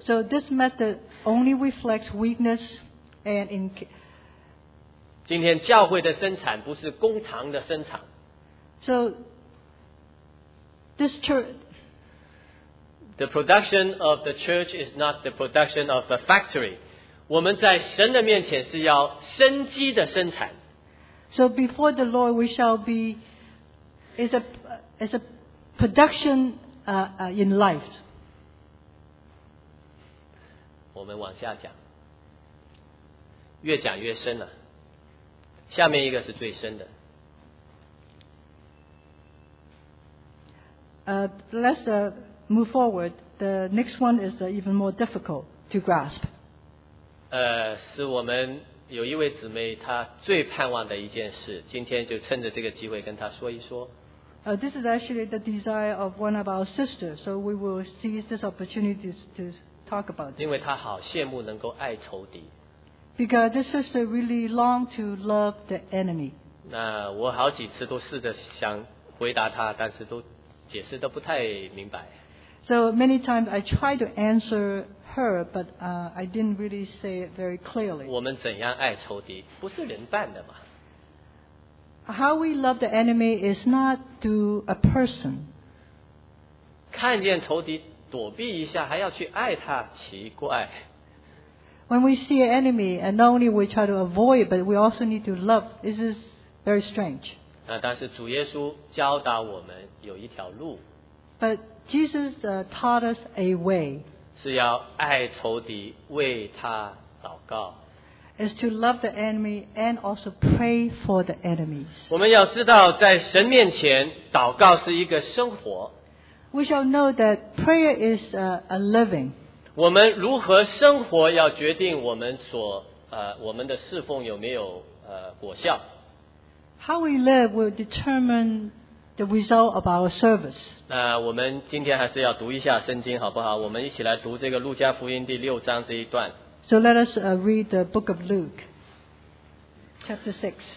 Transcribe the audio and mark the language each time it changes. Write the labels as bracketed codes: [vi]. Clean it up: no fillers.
[en] So this method only reflects weakness and in. [zh] 今天教会的生产不是工厂的生产。 [en] So this church. The production of the church is not the production of the factory. [zh] 我们在神的面前是要生机的生产。 [en] So before the Lord we shall be. It's a production in life. [zh] 我们往下讲，越讲越深了。下面一个是最深的。 [en] Let's move forward. The next one is even more difficult to grasp. [zh] 是我们有一位姊妹她最盼望的一件事，今天就趁着这个机会跟她说一说。 [en] This is actually the desire of one of our sisters, so we will seize this opportunity to talk about this. [zh] 因为她好羡慕能够爱仇敌。 [en] Because this sister really longed to love the enemy. [zh] 那我好几次都试着想回答她，但是都解释得不太明白。 [en] So many times I tried to answer her, but I didn't really say it very clearly. [zh] 我们怎样爱仇敌？不是人扮的嘛。 [en] How we love the enemy is not to a person. [zh] 看见仇敌躲避一下还要去爱他，奇怪。 [en] When we see an enemy, and not only we try to avoid, but we also need to love, this is very strange. [zh] 但是主耶稣教导我们有一条路。 [en] But Jesus taught us a way. [zh] 是要爱仇敌，为他祷告。 [en] Is to love the enemy and also pray for the enemies. [zh] 我们要知道，在神面前祷告是一个生活。 [en] We shall know that prayer is a living. [zh] 我们如何生活，要决定我们所我们的侍奉有没有果效。 [en] How we live will determine the result of our service. [zh] 那我们今天还是要读一下圣经，好不好？我们一起来读这个路加福音第六章这一段。 [en] So let us read the book of Luke, chapter 6.